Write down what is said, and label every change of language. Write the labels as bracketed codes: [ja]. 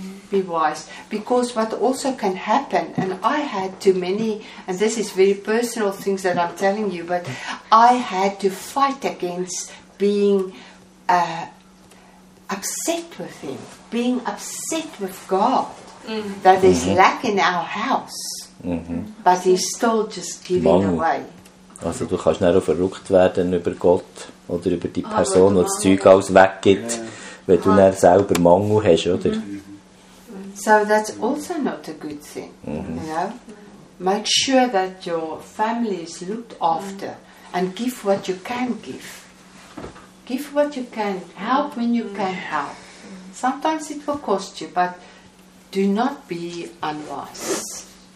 [en] Be wise, because what also can happen, and I had too many, and this is very personal things that I'm telling you, but I had to fight against being upset with him, being upset with God, that there's lack in our house, but he's still just giving away. [de] Also du kannst nicht verrückt werden über Gott oder über die Person, die das Zeug alles weggibt, wenn du dann selber Mangel hast, oder? [en] So that's also not a good thing, you know. Make sure that your family is looked after and give what you can give. Give what you can, help when you can help. Sometimes it will cost you, but do not be unwise.